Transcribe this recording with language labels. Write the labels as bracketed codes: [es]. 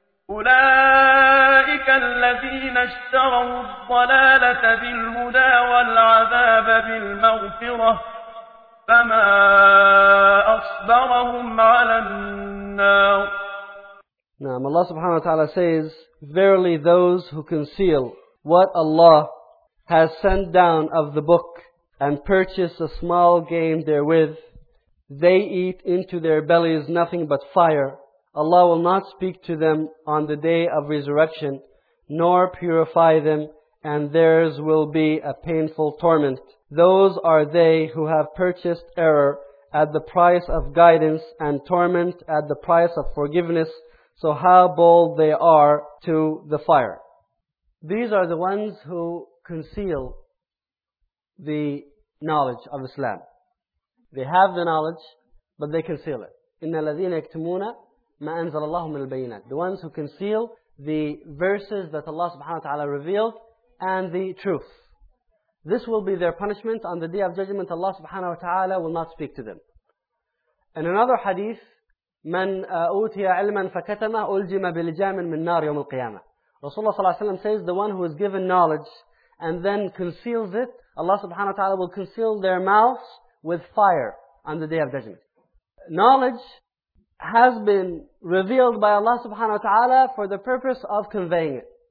[ar] أولئك الذين اشتروا الضلالة بالهدى والعذاب بالمغفرة فما أصبرهم على النار. [en] Now, Allah subhanahu wa ta'ala says, verily those who conceal what Allah has sent down of the book and purchase a small gain therewith, they eat into their bellies nothing but fire. Allah will not speak to them on the day of resurrection, nor purify them, and theirs will be a painful torment. Those are they who have purchased error at the price of guidance and torment at the price of forgiveness. So how bold they are to the fire. These are the ones who conceal the knowledge of Islam. They have the knowledge, but they conceal it. [ar] إِنَّ الَّذِينَ يَكْتُمُونَ مَا أَنزَلَ اللَّهُ مِنَ الْبَيِّنَاتِ [en] The ones who conceal the verses that Allah subhanahu wa ta'ala revealed and the truth. This will be their punishment on the Day of Judgment. Allah subhanahu wa ta'ala will not speak to them. In another hadith, [ar] من أوتي علما فكتمه ألجم بلجام من نار يوم القيامة. رسول الله صلى الله عليه وسلم [en] says, the one who is given knowledge and then conceals it, Allah subhanahu wa ta'ala will conceal their mouths with fire on the Day of Judgment. Knowledge has been revealed by Allah subhanahu wa ta'ala for the purpose of conveying it.